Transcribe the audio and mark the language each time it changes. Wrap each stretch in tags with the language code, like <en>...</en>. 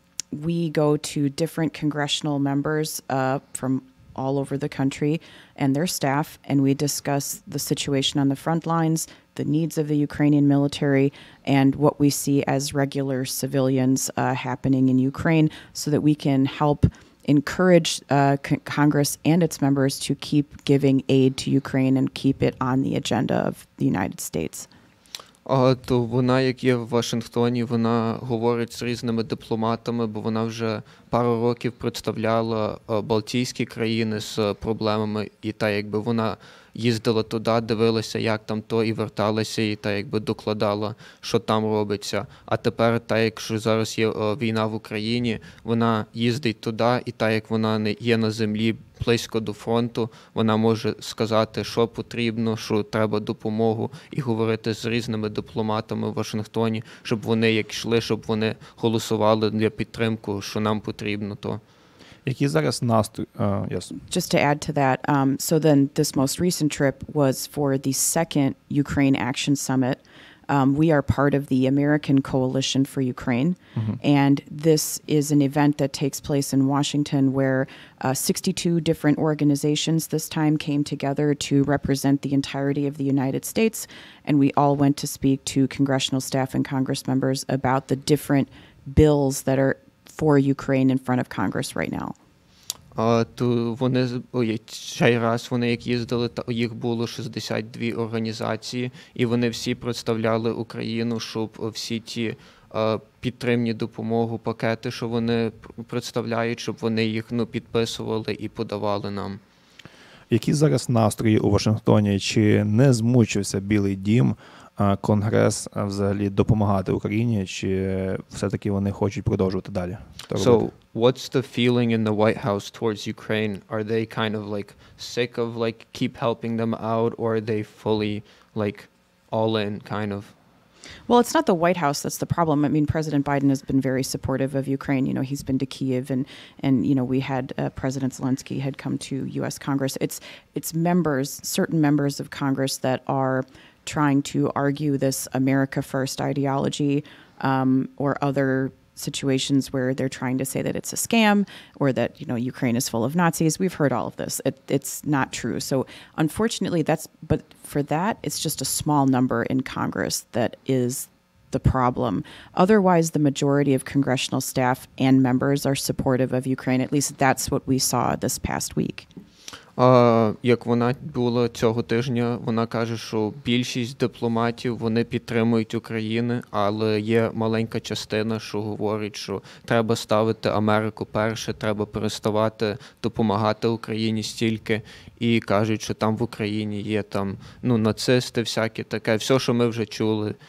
<en>We go to different congressional members from all over the country and their staff, and we discuss the situation on the front lines, the needs of the Ukrainian military, and what we see as regular civilians happening in Ukraine so that we can help encourage Congress and its members to keep giving aid to Ukraine and keep it on the agenda of the United States.</en> <uk>То вона, як є в Вашингтоні, вона говорить з різними дипломатами, бо вона вже пару років представляла балтійські країни з проблемами, і та якби вона їздила туди, дивилася, як там то, і верталася, і та якби докладала, що там робиться. А тепер, та якщо зараз є війна в Україні, вона їздить туди, і та як вона не є на землі близько до фронту, вона може сказати, що потрібно, що треба допомогу, і говорити з різними дипломатами в Вашингтоні, щоб вони як йшли, щоб вони голосували для підтримку, що нам потрібно то.</uk> <en>Just to add to that, so then this most recent trip was for the second Ukraine Action Summit. We are part of the American Coalition for Ukraine, and this is an event that takes place in Washington where 62 different organizations this time came together to represent the entirety of the United States, and we all went to speak to congressional staff and Congress members about the different bills that are for Ukraine in front of Congress right now.</en> <uk>То вони, цей раз вони як їздили, та їх було 62 організації, і вони всі представляли Україну, щоб всі ті підтримні допомогу пакети, що вони представляють, щоб вони їх, ну, підписували і подавали нам. Які зараз настрої у Вашингтоні? Чи не змучився Білий Дім, Конгрес взагалі допомагати Україні, чи все-таки вони хочуть продовжувати далі?</uk> <en>So, what's the feeling in the White House towards Ukraine? Are they kind of like sick of like keep helping them out, or are they fully like all in kind of? Well, it's not the White House that's the problem. I mean, President Biden has been very supportive of Ukraine. You know, he's been to Kyiv, and you know, we had President Zelensky had come to U.S. Congress. It's members, certain members of Congress that are trying to argue this America First ideology, or other situations where they're trying to say that it's a scam, or that, you know, Ukraine is full of Nazis. We've heard all of this. It's not true. So unfortunately, it's just a small number in Congress that is the problem. Otherwise, the majority of congressional staff and members are supportive of Ukraine. At least that's what we saw this past week.</en> <uk>Як вона була цього тижня, вона каже, що більшість дипломатів, вони підтримують Україну, але є маленька частина, що говорить, що треба ставити Америку перше, треба переставати допомагати Україні стільки, і кажуть, що там в Україні є там, ну, нацисти всякі таке, все, що ми вже чули.</uk>